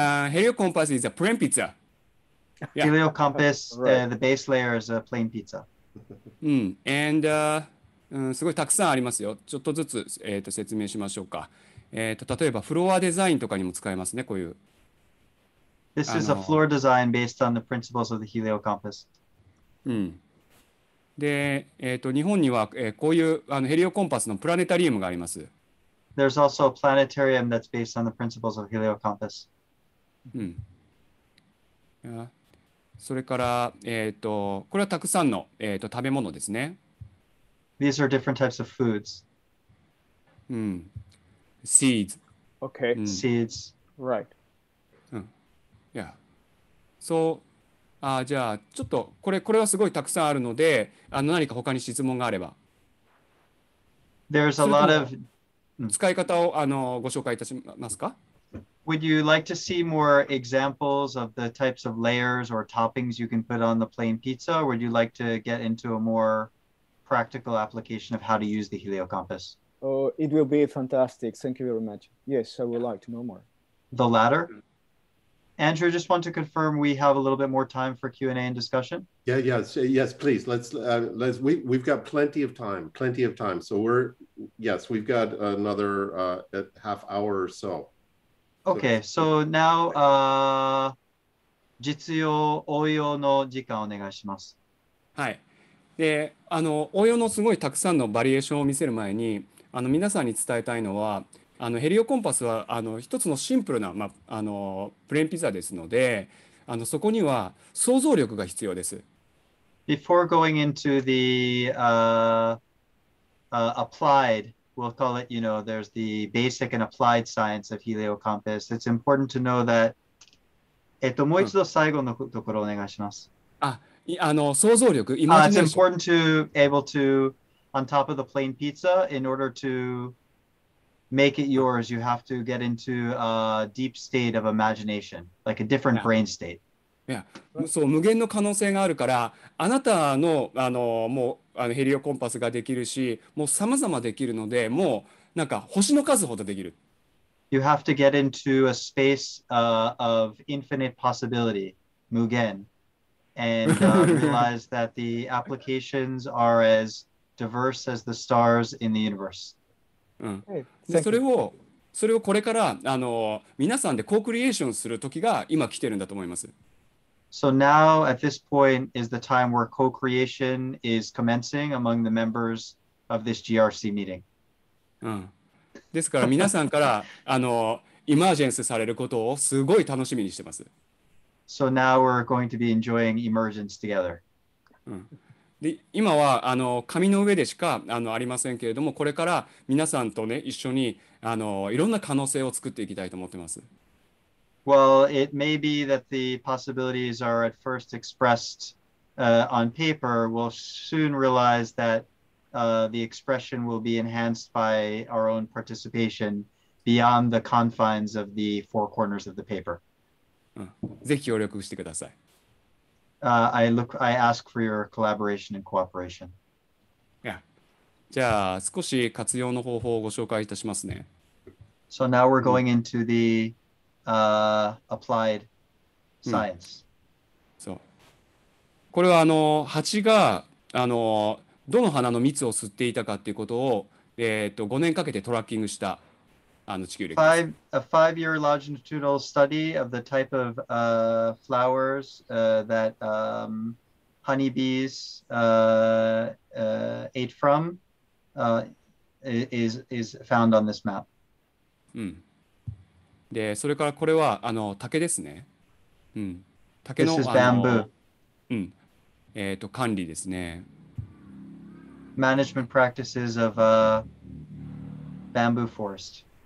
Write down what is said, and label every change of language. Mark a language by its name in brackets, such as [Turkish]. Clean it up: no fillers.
[English] Helio Compass is a plain pizza. Yeah. Helio Compass, the base layer is a plain pizza. [Japanese] And, すごいたくさんありますよ。ちょっとずつ、説明しましょうか。例えばフロアデザインとかにも使えますね、こういう。 [English] This is a floor design based on the principles of the Helio Compass. [Japanese] で、日本には、こういうヘリオコンパスのプラネタリウムがあります。 [English] There's also a planetarium that's based on the principles of heliocompass. [Japanese] それから、これはたくさんの、食べ物ですね。 [English] These are different types of foods. Seeds. Okay. Seeds. Right. Yeah. [Japanese] So, じゃあ、ちょっとこれはすごいたくさんあるので、何か他に質問があれば。 [English] There's a lot of... [Japanese] 使い方をご紹介いたしますか？ [English] Would you like to see more examples of the types of layers or toppings you can put on the plain pizza? Would you like to get into a more practical application of how to use the Helio Compass? Oh, it will be fantastic. Thank you very much. Yes, I would like to know more. The latter? Andrew, just want to confirm we have a little bit more time for Q&A and discussion. Yes, please. Let's. We've got plenty of time. So we've got another half hour or so. Okay, so now, [Japanese] 実用応用の時間をお願いします。はい。で、応用のすごいたくさんのバリエーションを見せる前に、皆さんに伝えたいのは、ヘリオコンパスは一つのシンプルな、プレーンピザですので、そこには想像力が必要です。 [English] Before going into the applied, we'll call it, you know, there's the basic and applied science of Helio Compass. It's important to know that. [Japanese] もう一度最後のところお願いします。想像力、 [English] イマジネーション。It's important to be able to, on top of the plain pizza, in order to. Make it yours, you have to get into a deep state of imagination, like a different brain state. [Japanese] そう、無限の可能性があるから、あなたの、もう、ヘリオコンパスができるし、もう様々できるので、もう、なんか星の数ほどできる。 [English] You have to get into a space of infinite possibility, 無限, and realize that the applications are as diverse as the stars in the universe. [Japanese] それをそれをこれからあの皆さんでコークリエーションする時が今来てるんだと思います。 [English] So now at this point is the time where co-creation is commencing among the members of this GRC meeting. [Japanese] ですから皆さんからあのイマージェンスされることをすごい楽しみにしてます。 [English] So now we're going to be enjoying emergence together. [Japanese] で今はあの紙の上でしか ありませんけれども、これから皆さんとね一緒にあのいろんな可能性を作っていきたいと思ってます。 [English] Well, it may be that the possibilities are at first expressed on paper. We'll soon realize that the expression will be enhanced by our own participation beyond the confines of the four corners of the paper. [Japanese] ぜひ協力してください。 [English] I ask for your collaboration and cooperation. Yeah. [Japanese] じゃあ少し活用の方法をご紹介いたしますね。 [English] So now we're going into theApplied science. [Japanese] そう。これはあの蜂があのどの花の蜜を吸っていたかっていうことを5年かけてトラッキングしたあの地球歴。 [English] A five-year longitudinal study of the type of flowers that honeybees ate from is found on this map. [Japanese] でそれからこれはあの竹ですね。竹の、 [English] This is bamboo. [Japanese] と管理ですね。 [English] Management practices of a bamboo forest.